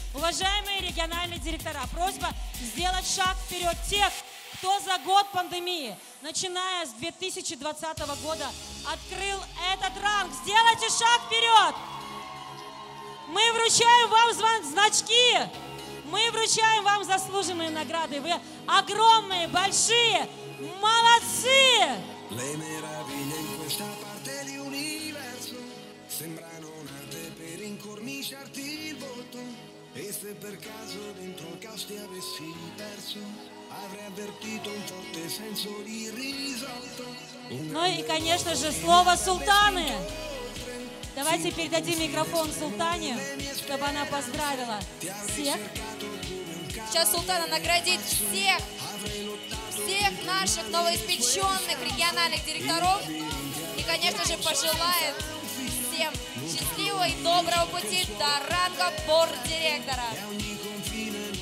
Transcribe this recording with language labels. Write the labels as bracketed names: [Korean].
[Russian] Уважаемые региональные директора, просьба сделать шаг вперед тех, кто за год пандемии, начиная с 2020 года, открыл этот ранг. Сделайте шаг вперед. Мы вручаем вам значки. Мы вручаем вам заслуженные награды. Вы огромные, большие. Молодцы! [Italian] Le meraviglie in questa parte di universo sembrano nate per incorniciarti il volto. E se per caso dentro il caos ti avessi perso, avrei avvertito un forte senso di risolto. [Russian] Ну и, конечно же, слово султаны. Давайте передадим микрофон султане, чтобы она поздравила всех. Сейчас султана наградит всех. Всех наших новоиспеченных региональных директоров и, конечно же, пожелает всем счастливого и доброго пути до ранга борт-директора.